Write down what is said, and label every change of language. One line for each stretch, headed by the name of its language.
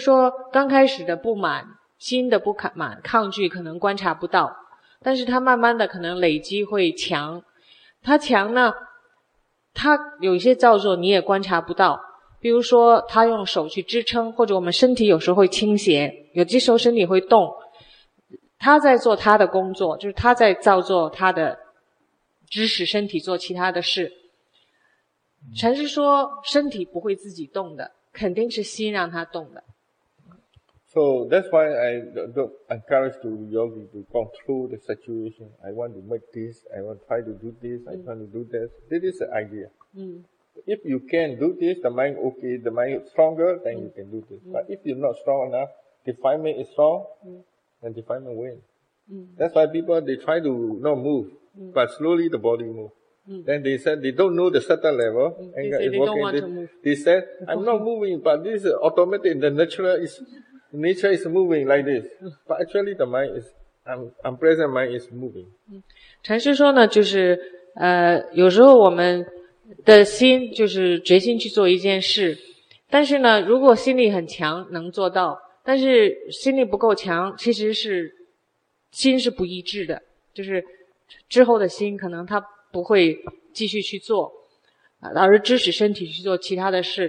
Chinese: 禅师说呢，你能观察到的心的状态是意识层面的，比如说你看到你的中舍心，或者你心的不安你也能看到，但是你看不到的就是微细的层面，或者是潜意识我们观察不到的这个呢，它也在发生，只是观察不到而已。比如说刚开始的不满。心的不满、抗拒可能观察不到，但是他慢慢的可能累积会强，他强呢，他有一些造作你也观察不到，比如说他用手去支撑，或者我们身体有时候会倾斜，有的时候身体会动，他在做他的工作，就是他在造作他的知识，身体做其他的事。禅师说，身体不会自己动的，肯定是心让他动的。
English: So that's why I don't encourage to yogi to go through the situation. I want to make this, I want to try to do this, I want to do that. This is the idea. If you can do this, the mind okay, the mind is stronger, then you can do this. But if you're not strong enough, defilement is strong, then defilement wins. That's why people, they try to not move, but slowly the body moves. Then they said they don't know the certain level. Anger is working. They said, I'm not moving, but this is automatic. The natural is, nature is moving like this. But actually the mind is, unpleasant mind is moving.
Chinese: 禅师说呢，就是有时候我们的心就是决心去做一件事。但是呢，如果心力很强能做到，但是心力不够强，其实是心是不一致的。就是之后的心可能他不会继续去做，而支持身体去做其他的事。